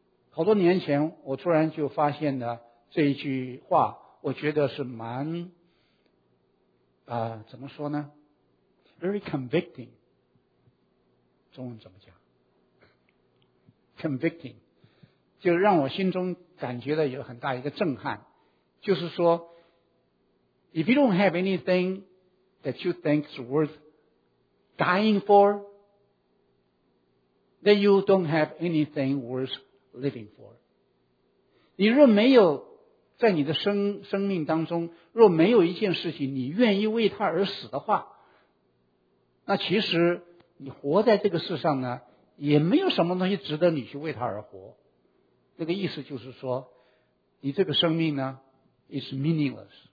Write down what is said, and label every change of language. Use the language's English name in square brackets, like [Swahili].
[Chinese] 好多年前我突然就发现了这一句话，我觉得是蛮怎么说呢， [English] very convicting， [Chinese] 中文怎么讲， convicting， 就让我心中感觉到有很大一个震撼。就是说 [English] if you don't have anything that you think is worth dying for, then you don't have anything worth living for。 [Chinese] 你若没有在你的 生命当中，若没有一件事情你愿意为它而死的话，那其实你活在这个世上呢，也没有什么东西值得你去为它而活。那个意思就是说，你这个生命呢 [English] is meaningless。